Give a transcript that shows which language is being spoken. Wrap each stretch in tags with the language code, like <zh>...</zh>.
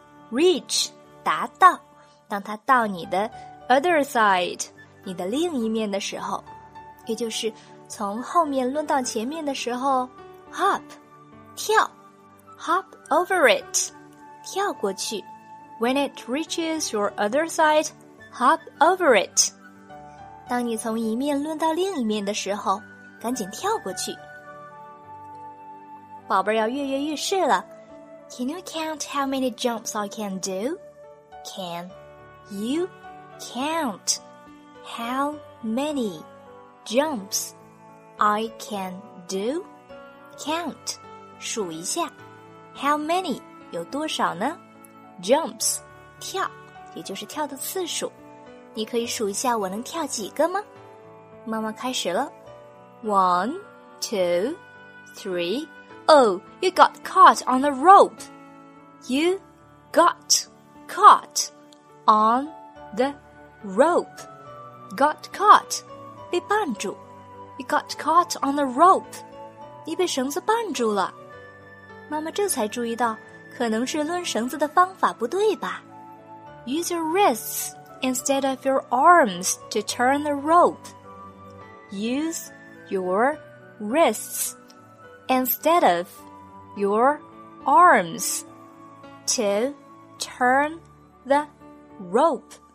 <en>Reach,</en> <zh>达到，当它到你的</zh> <en>other side,</en> <zh>你的另一面的时候，也就是从后面抡到前面的时候，</zh> <en>hop,</en> <zh>跳，</zh> <en>hop over it,</en> <zh>跳过去。</zh> <en>When it reaches your other side, hop over it.</en> <zh>当你从一面抡到另一面的时候，赶紧跳过去。宝贝儿要跃跃欲试了。</zh> <en>Can you count how many jumps I can do? Can you count how many jumps I can do? Count,</en> <zh>数一下。</zh> <en>How many,</en> <zh>有多少呢？</zh> <en>Jumps,</en> <zh>跳，也就是跳的次数。你可以数一下我能跳几个吗？妈妈开始了。</zh> <en>One, two, three. Oh, you got caught on the rope. You got caught on the rope. Got caught,</en> <zh>被绊住。</zh> <en>You got caught on the rope.</en> <zh>你被绳子绊住了。妈妈这才注意到可能是抡绳子的方法不对吧。</zh> <en>Use your wrists instead of your arms to turn the rope. Use your wrists instead of your arms to turn the rope.</en>